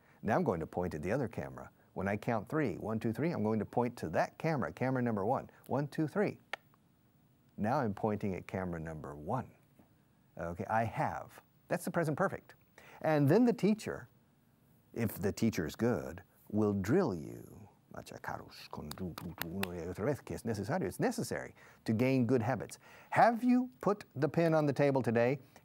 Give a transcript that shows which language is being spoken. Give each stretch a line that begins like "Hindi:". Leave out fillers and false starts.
English: Now I'm going to point at the other camera. When I count three, one, two, three, I'm going to point to that camera, camera number one. One, two, three. Now I'm pointing at camera number one. Okay, I have. That's the present perfect. And then the teacher, if the teacher is good, will drill you.
Spanish: Machacaros con uno y otra vez, que es necesario.
English: It's necessary to gain good habits. Have you put the pen on the table today?